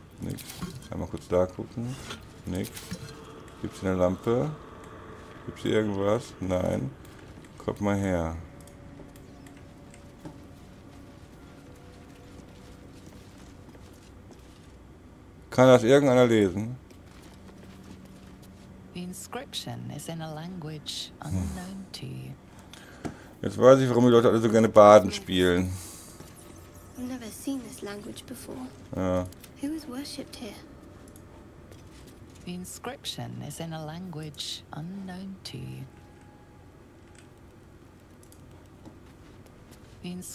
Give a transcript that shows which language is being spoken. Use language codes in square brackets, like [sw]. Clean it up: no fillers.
[de] Nix. Einmal kurz da gucken. Nix. Gibt's eine Lampe? Gibt's hier irgendwas? Nein. Kommt mal her. Kann das irgendeiner lesen? [en] The inscription is in a language unknown to you. [de] Jetzt weiß ich, warum die Leute alle so gerne Baden spielen. [en] I've never seen this language before. [de] Ja. [en] Who is worshipped here? The inscription is in a language unknown to you. The